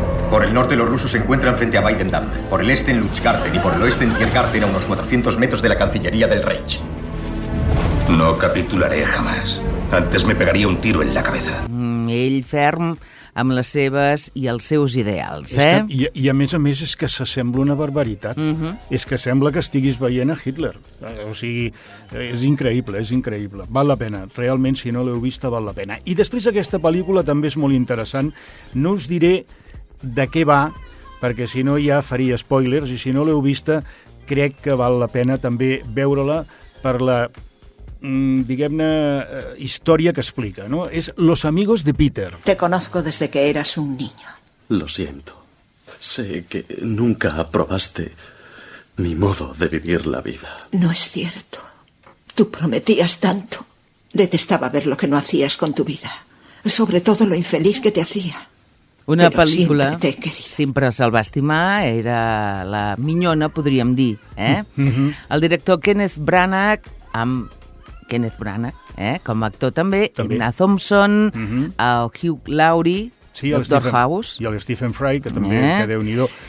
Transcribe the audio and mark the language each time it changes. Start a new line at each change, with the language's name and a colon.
Spanish: Por el norte, los rusos se encuentran frente a Weidendamm. Por el este, en Lutschgarten. Y por el oeste, en Tiergarten, a unos 400 metros de la Cancillería del Reich. No capitularé jamás. Antes me pegaría un tiro en la cabeza.
Catalan: Ell ferm amb les seves i els seus ideals, I a més, és que s'assembla una barbaritat. És que sembla que estiguis veient a Hitler. O sigui, és increïble, és increïble. Val la pena. Realment, si no l'heu vista, val la pena. I després, aquesta pel·lícula també és molt interessant. No us diré de què va, perquè si no ja faria spoilers, i si no l'heu vista, crec que val la pena també veure-la per la, diguem-ne, història que explica, no? És Los amigos de Peter.
Spanish: Te conozco desde que eras un niño. Lo siento. Sé que nunca aprobaste mi modo de vivir la vida. No es cierto. Tú prometías tanto. Detestaba ver lo que no hacías con tu vida. sobre todo lo infeliz que te hacía.
Catalan: Una Pero pel·lícula, sempre se'l va estimar, era la minyona, podríem dir. El director Kenneth Branagh, amb Kenneth Branagh, com a actor també. Edna Thompson, Hugh Laurie, sí, Doctor House. I el Stephen Fry, que també, que déu-n'hi-do.